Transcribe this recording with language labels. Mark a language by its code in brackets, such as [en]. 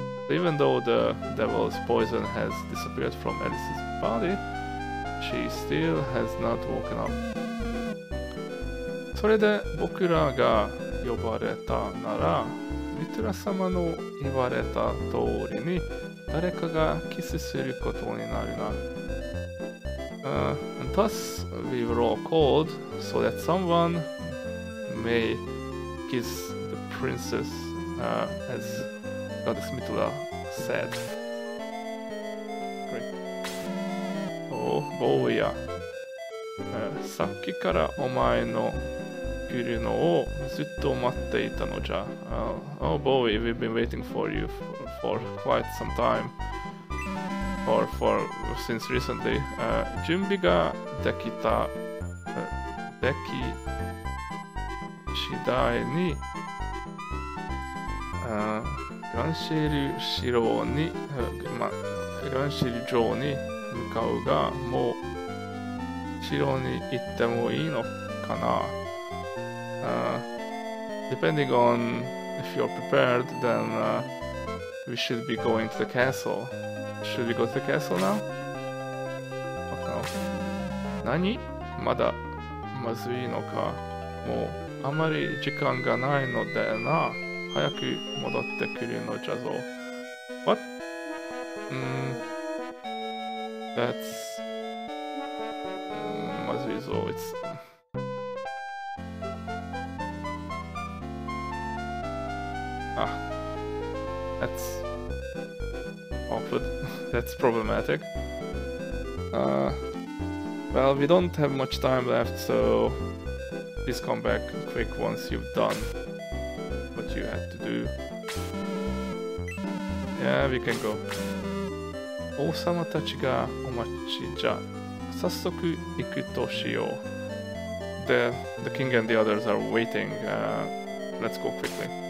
[en] Even though the devil's poison has disappeared from Alice's body, she still has not woken up. [ja] それで僕らが呼ばれたなら、ミトラ様の言われた通りに誰かがキスすることになるな。 [en] And thus we were all called so that someone may kiss the princess, as Goddess Mitra. Said. Great. Oh, Bowie. [ja] さっきからお前の来るのをずっと待っていたのじゃ。 [en] Oh, Bowie, we've been waiting for you for quite some time. Or for since recently. [ja] 準備ができた、でき次第に。ガンシェル城に、ガンシェル城に向かうが、もう城に行ってもいいのかな。 [en] Depending on if you're prepared, then we should be going to the castle. Should we go to the castle now? [ja] Okay. 何?まだまずいのか。もうあまり時間がないのでな。早く戻ってくるのじゃぞ。 [en] What? That's... [ja] まずいぞ。 [en] It's... Ah. That's... awkward. That's problematic. Well, we don't have much time left, so... Please come back quick once you've done. You had to do. Yeah, we can go. [ja] 王様たちがお待じゃあ早速行くとしよう。 [en] で、the king and the others are waiting. Let's go quickly.